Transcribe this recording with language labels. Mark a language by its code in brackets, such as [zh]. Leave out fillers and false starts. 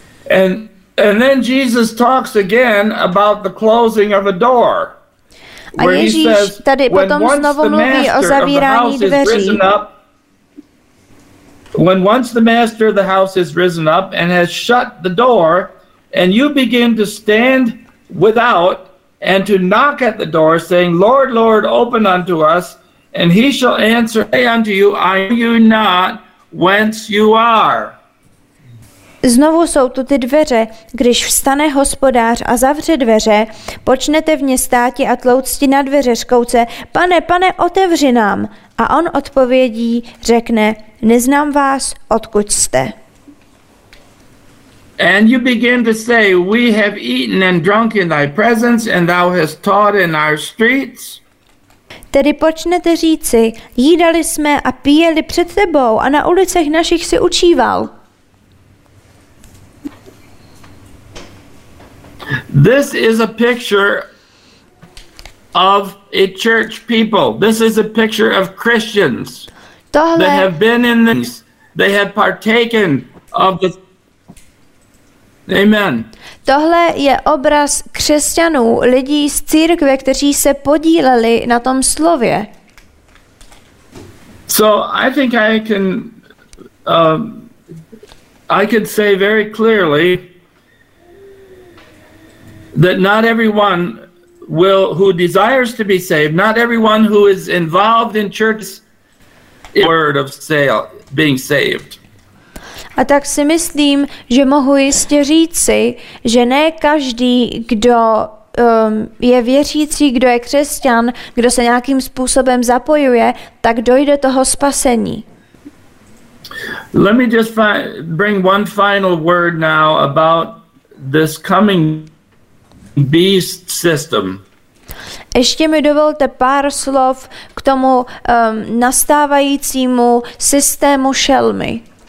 [en] And then Jesus talks again about the closing of a door. [cs] A Ježíš tady potom znovu mluví o zavírání dveří. [en] When once the master of the house has risen up and has shut the door, and you begin to stand without and to knock at the door, saying, Lord, Lord, open unto us, and he shall answer, say unto you, I know you not whence you are. [cs] Znovu jsou tu ty dveře. Když vstane hospodář a zavře dveře, počnete v ně státi a tlouctí na dveře, řkouce, pane, pane, otevři nám. A on odpovědí, řekne, neznám vás, odkud jste. [en] And you begin to say, we have eaten and drunk in thy presence, and thou hast taught in our streets. [cs] Tedy počnete říci, jídali jsme a pijeli před tebou a na ulicech našich si učíval. [en] This is a picture of a church people. This is a picture of Christians. [cs] Tohle... [en] They have been in this. They have partaken of the... Amen. [cs] Tohle je obraz křesťanů, lidí z církve, kteří se podíleli na tom slově. [en] So I think I can say very clearly that not everyone will who desires to be saved, not everyone who is involved in church is word of sale being saved. [cs] A tak si myslím, že mohu jistě říci, že ne každý, kdo je věřící, kdo je křesťan, kdo se nějakým způsobem zapojuje, tak dojde toho spasení. [en] Let me just bring one final word now about this coming beast system. [cs] Ještě mi dovolte pár slov k tomu nastávajícímu systému šelmy.